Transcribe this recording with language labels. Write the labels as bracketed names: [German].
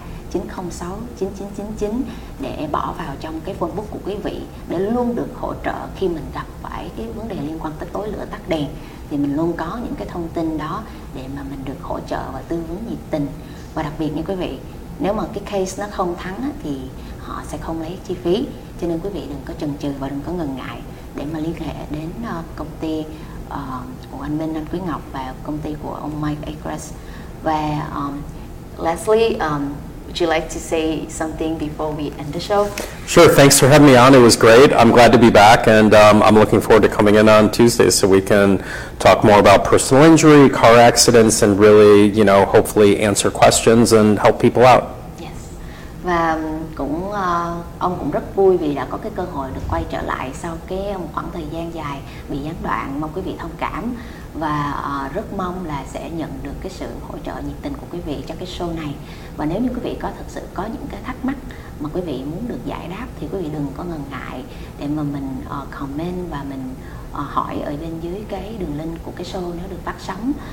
[Vietnamese] 773-906-9999 để bỏ vào trong cái Facebook của quý vị để luôn được hỗ trợ khi mình gặp phải cái vấn đề liên quan tới tối lửa tắt đèn, thì mình luôn có những cái thông tin đó để mà mình được hỗ trợ và tư vấn nhiệt tình. Và đặc biệt nha quý vị, nếu mà cái case nó không thắng thì họ sẽ không lấy chi phí, cho nên quý vị đừng có chần chừ và đừng có ngần ngại để mà liên hệ đến công ty của anh Minh, anh Quý Ngọc và công ty của ông Mike Agruss. [English] Và lastly, would you like to say something before we end the show? Sure, thanks for having me on. It was great. I'm glad to be back, and I'm looking forward to coming in on Tuesday so we can talk more about personal injury, car accidents, and really, you know, hopefully answer questions and help people out. Yes. [Vietnamese] Và cũng ông cũng rất vui vì đã có cái cơ hội được quay trở lại sau cái khoảng thời gian dài bị gián đoạn. Mong quý vị thông cảm và rất mong là sẽ nhận được cái sự hỗ trợ nhiệt tình của quý vị cho cái show này. Và nếu như quý vị có thực sự có những cái thắc mắc mà quý vị muốn được giải đáp thì quý vị đừng có ngần ngại để mà mình comment và mình hỏi ở bên dưới cái đường link của cái show nếu được phát sóng.